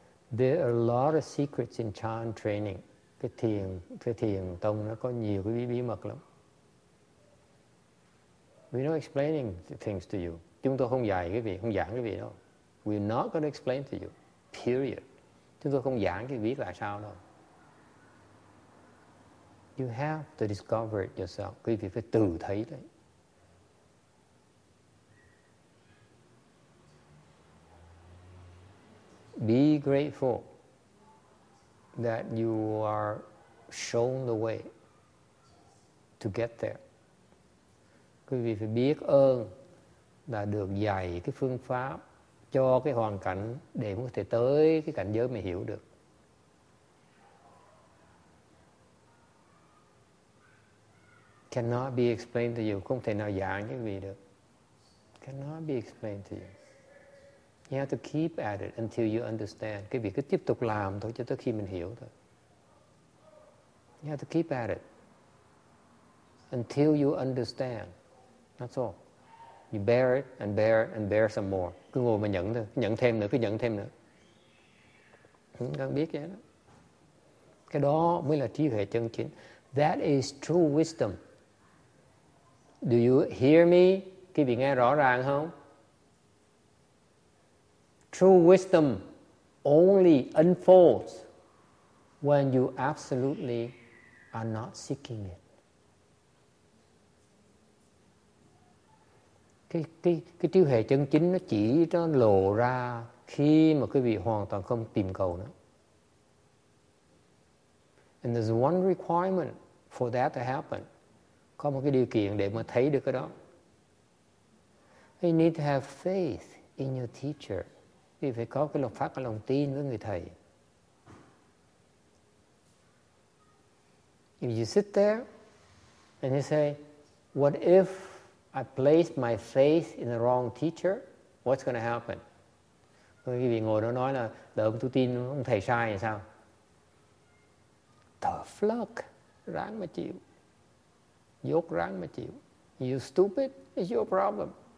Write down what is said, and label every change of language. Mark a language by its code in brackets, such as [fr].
[en] There are a lot of secrets in chan training. [vi] Cái thiền tông nó có nhiều cái bí mật lắm. [en] We're not explaining things to you. [vi] Chúng tôi không dạy cái gì, không giảng cái gì đâu. [en] we're not going to explain to you, period. [vi] Chúng tôi không giảng cái biết là sao đâu. [en] You have to discover it yourself. [vi] Quý vị phải tự thấy đấy. [en] Be grateful that you are shown the way to get there. [vi] Quý vị phải biết ơn là được dạy cái phương pháp cho cái hoàn cảnh để có thể tới cái cảnh giới mà hiểu được. [en] Cannot be explained to you. [vi] Không thể nào giảng cho quý vị được. [en] Cannot be explained to you. You have to keep at it until you understand. [vi] Quý vị cứ tiếp tục làm thôi cho tới khi mình hiểu thôi. [en] You have to keep at it until you understand. That's all. You bear it and bear it and bear some more. [vi] Cứ ngồi mà nhận thôi. Nhận thêm nữa, cứ nhận thêm nữa. Cần biết cái đó. Cái đó mới là trí huệ chân chính. [en] That is true wisdom. Do you hear me? [vi] Quý vị nghe rõ ràng không? [en] True wisdom only unfolds when you absolutely are not seeking it. [vi] Cái trí huệ chân chính nó chỉ nó lộ ra khi mà quý vị hoàn toàn không tìm cầu nữa. [en] And there's one requirement for that to happen. [vi] Có một cái điều kiện để mà thấy được cái đó. [en] You need to have faith in your teacher. [vi] Vì phải có cái lòng phát cái lòng tin với người thầy. [en] If you sit there and you say, what if I place my faith in the wrong teacher? What's going to happen? [vi] Quý vị ngồi đó nói là lỡ tôi tin ông thầy sai thì sao? [en] Tough luck. [vi] Ráng mà chịu. Dốt ráng mà chịu. [en] You stupid, it's your problem.